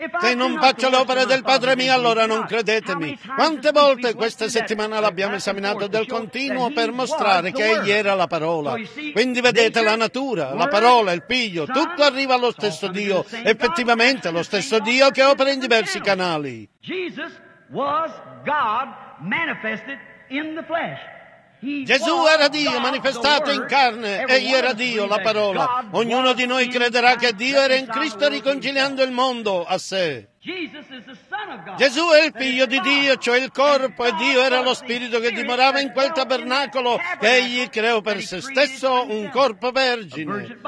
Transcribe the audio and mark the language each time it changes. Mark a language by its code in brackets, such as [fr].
[it] Se non faccio l'opera del Padre mio, allora non credetemi. Quante volte questa settimana l'abbiamo esaminato del continuo per mostrare che Egli era la parola. Quindi vedete, la natura, la parola, il Figlio, tutto arriva allo stesso Dio, effettivamente lo stesso Dio che opera in diversi canali. [en] Jesus was God manifested in the flesh. [it] Gesù era Dio manifestato in carne, Egli era Dio, la parola. Ognuno di noi crederà che Dio era in Cristo riconciliando il mondo a sé. Gesù è il Figlio di Dio, cioè il corpo, e Dio era lo Spirito che dimorava in quel tabernacolo che Egli creò per se stesso un corpo vergine.